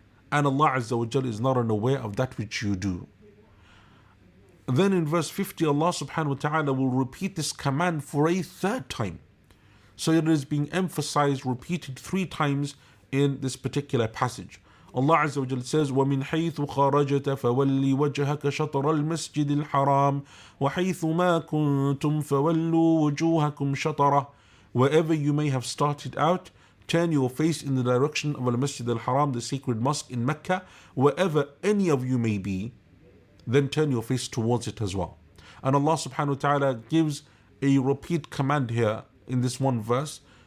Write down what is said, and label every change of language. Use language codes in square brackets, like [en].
[en] And Allah Azza wa Jal is not unaware of that which you do. Then in verse 50, Allah subhanahu wa ta'ala will repeat this command for a third time. So it is being emphasized, repeated three times in this particular passage. Allah Azza wa Jal says, [ar] وَمِنْ حَيْثُ خَرَجَتَ فَوَلِّي وَجْهَكَ شَطَرَ الْمَسْجِدِ الْحَرَامِ وَحَيْثُ مَا كُنْتُمْ فَوَلُّوا وُجُوهَكُمْ شَطَرَهُ. [en] Wherever you may have started out, turn your face in the direction of Al-Masjid Al-Haram, the sacred mosque in Mecca. Wherever any of you may be, then turn your face towards it as well. And Allah subhanahu wa ta'ala gives a repeat command here in this one verse.